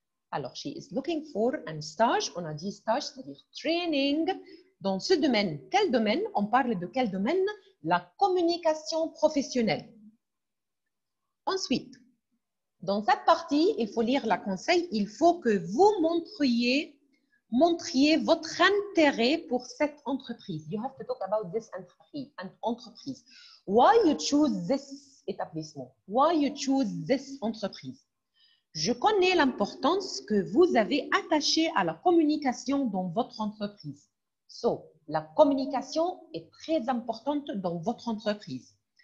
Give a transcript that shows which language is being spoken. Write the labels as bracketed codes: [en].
[en] Alors, she is looking for a stage. [fr] On a dit stage, c'est-à-dire [en] training. [fr] Dans ce domaine, quel domaine? On parle de quel domaine? La communication professionnelle. Ensuite, dans cette partie, il faut lire la conseil. Il faut que vous montriez montriez votre intérêt pour cette entreprise. [en] You have to talk about this entreprise, an entreprise. Why you choose this établissement? Why you choose this entreprise? [fr] Je connais l'importance que vous avez attachée à la communication dans votre entreprise. So, la communication est très importante dans votre entreprise.